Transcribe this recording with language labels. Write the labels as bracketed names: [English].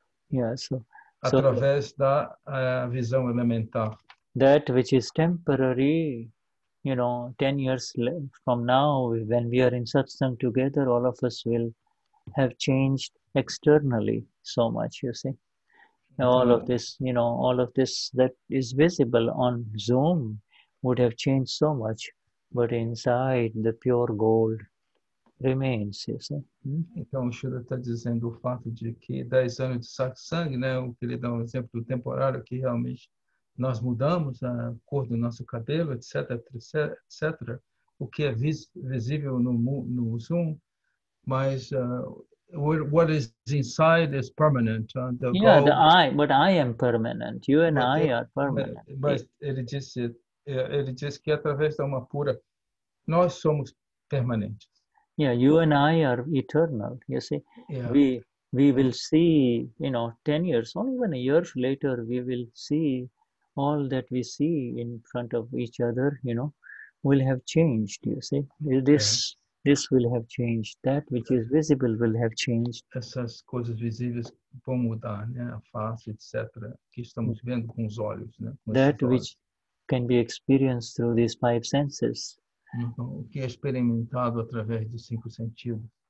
[English] Yeah, so, [Portuguese] através da visão elementar. [English] That which is temporary, you know, 10 years from now, when we are in satsang together, all of us will have changed externally so much, you see. All of this, you know, all of this that is visible on Zoom would have changed so much, but inside the pure gold remains, you see. [Portuguese] Então, o Shuddha está dizendo o fato de que 10 anos de satsang, né, o que ele dá um exemplo do temporário, que realmente nós mudamos a cor do nosso cabelo, etc, etc, etc. O que é visível no Zoom, mas... [English] what is inside is permanent. But I am permanent. You and I are permanent. [Portuguese] Mas ele disse que através da alma pura nós somos permanentes. [English] Yeah, you and I are eternal. You see, yeah. we will see, you know, 10 years, or even a year later, we will see all that we see in front of each other, you know, will have changed, you see. This will have changed. That which is visible will have changed. [Portuguese] Essas coisas visíveis vão mudar, né? A face, etc. Que estamos vendo com os olhos, né? [English] That which can be experienced through these five senses. [Portuguese] Então, o que é experimentado através dos cinco sentidos.